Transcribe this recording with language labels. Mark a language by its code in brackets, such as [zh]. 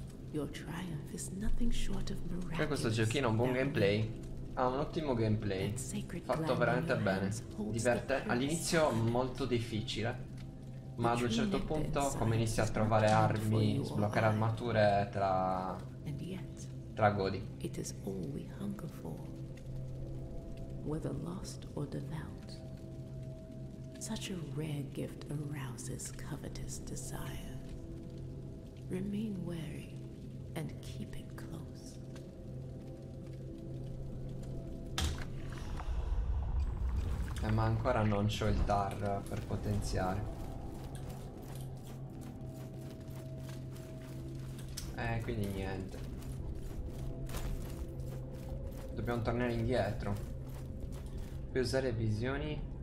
[en] Your triumph is nothing short of miracle. [it] Cioè, questo giochino ha un buon gameplay. Ha un ottimo gameplay. Fatto veramente bene. Diverte. All'inizio molto difficile. Ma ad un certo punto, come inizi a trovare armi, sbloccare armature, tra godi. [en] It is all we hunger for, whether lost or devout. Such a rare gift arouses covetous desire. Remain wary and keep it close. [it] Ma ancora non c'ho il dar per potenziare. Quindi niente. Dobbiamo tornare indietro. Puoi usare visioni.